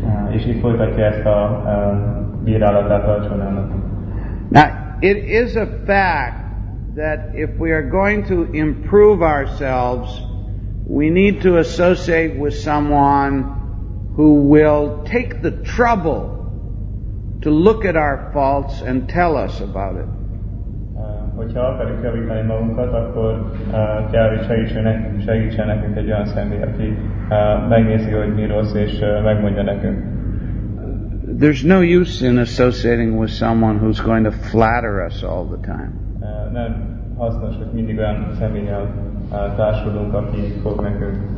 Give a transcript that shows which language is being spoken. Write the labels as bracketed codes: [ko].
[hu] És így folytatja ezt a bírálatát Arjunának. [en] Now, it is a fact that if we are going to improve ourselves, we need to associate with someone who will take the trouble to look at our faults and tell us about it. [hu] Hogyha akarjuk javítani magunkat, akkor kell, hogy segítsen nekünk egy olyan személy, aki megnézi, hogy mi rossz, és megmondja nekünk. [en] There's no use in associating with someone who's going to flatter us all the time. [hu] Nem hasznos, hogy mindig olyan személlyel társulunk, aki fog nekünk.